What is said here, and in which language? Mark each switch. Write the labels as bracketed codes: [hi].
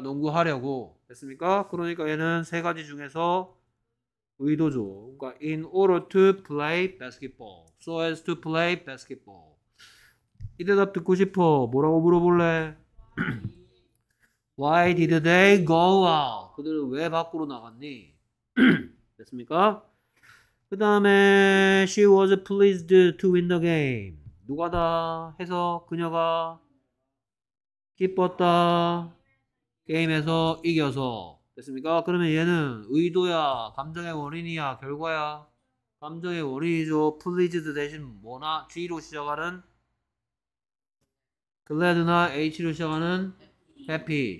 [ko] 농구하려고 됐습니까? 그러니까 얘는 세 가지 중에서 의도죠. [en] 그러니까 in order to play basketball, so as to play basketball. [ko] 이 대답 듣고 싶어. 뭐라고 물어볼래? Why did they go out? 그들은 왜 밖으로 나갔니? 됐습니까? [en] 그 다음에 She was pleased to win the game. [ko] 누가 다 해서 그녀가 기뻤다 게임에서 이겨서 됐습니까? 그러면 얘는 의도야 감정의 원인이야 결과야 감정의 원인이죠. Pleased 대신 뭐나 G로 시작하는 Glad나 H로 시작하는 Happy.